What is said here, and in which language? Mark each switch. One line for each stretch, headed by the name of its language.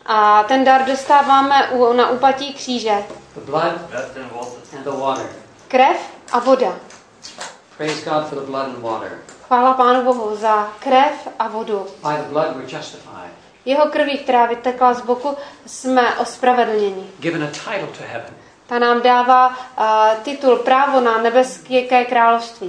Czech: A ten dar dostáváme na úpatí kříže.
English: The blood and the water.
Czech: Krev a voda.
English: Praise God for the blood and water.
Czech: Chvála Pánu Bohu za krev a vodu.
English: By the blood we're justified.
Czech: Jeho krví, která vytekla z boku, jsme ospravedlněni.
English: Given a title to heaven.
Czech: Ta nám dává titul, právo na nebeské království.